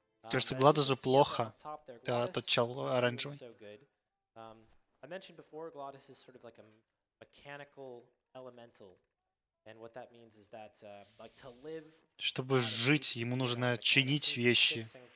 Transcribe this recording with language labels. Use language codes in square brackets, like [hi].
[ru] То, что Гладузу плохо, да, тот чел оранжевый. [en] I mentioned before, Glottis is sort of like a mechanical elemental, and what that means is that, like, to live. [ru] Чтобы жить, ему нужно чинить вещи.